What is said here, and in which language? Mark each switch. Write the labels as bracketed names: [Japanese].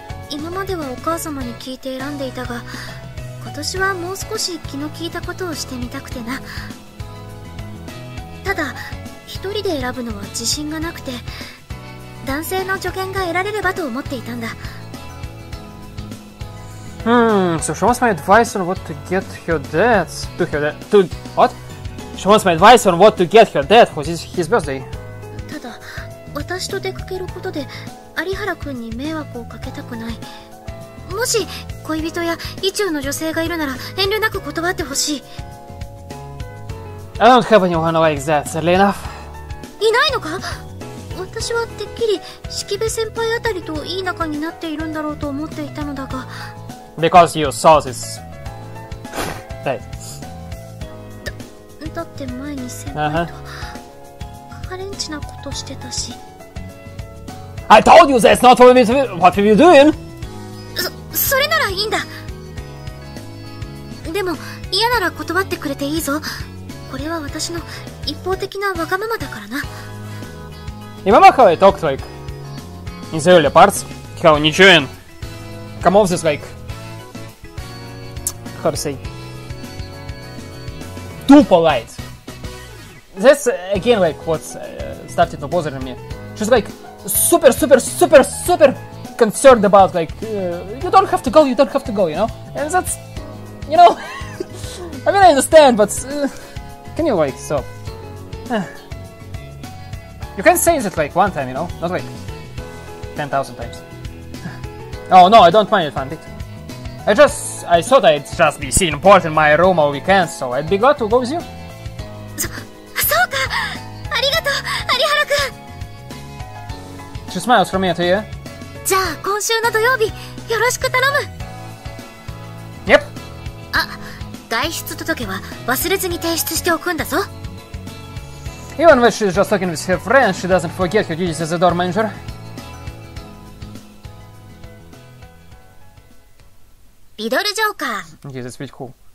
[Japanese] 今まではお母様に聞いて選んでいたが、今年はもう少し気の利いたことをしてみたくてな。ただ一人で選ぶのは自信がなくて、男性の助言が得られればと思っていたんだ。 [English] So she wants my advice on what to get her dad to her dad to what? She wants my advice on what to get her dad for his birthday. [Japanese] ただ私と出かけることで有原くんに迷惑をかけたくない。もし恋人や意中の女性がいるなら遠慮なく断ってほしい。 [English] I don't have anyone like that, sadly enough. [Japanese] いないのか？私はてっきり四季部先輩あたりといい仲になっているんだろうと思っていたのだが。 [English] Because you saw this. [Japanese] だって前に先輩とハレンチなことしてたし。 [English] I told you that's not what we're doing! [Japanese] それならいいんだ。でも嫌なら断ってくれていいぞ。これは私の一方的なわがままだからな。今まで [English] talked like in the earlier parts, how Nichiren come off this like how to say too polite. That's again like what started to bother me. She's like super super super super concerned about like you don't have to go, you don't have to go, you know. And that's, you know, I mean I understand, but can you like so? You can say that like one time, you know, not like 10,000 times. Oh no, I don't mind it, Fandik. I thought I'd just be seeing port in my room all weekend, so I'd be glad to go with you. So, [Japanese] arigato, [English] Arihara-kun. She smiles from ear to ear. [Japanese] Ja, 今週の土曜日、よろしく頼む。 [English] Yep. Ah. [Japanese] 外出届は忘れずに提出しておくんだぞ。 [English] Even when she's just talking with her friends, she doesn't forget her duties as a door manager. [Japanese] リドルジョーカー。 [English] Okay, that's pretty cool.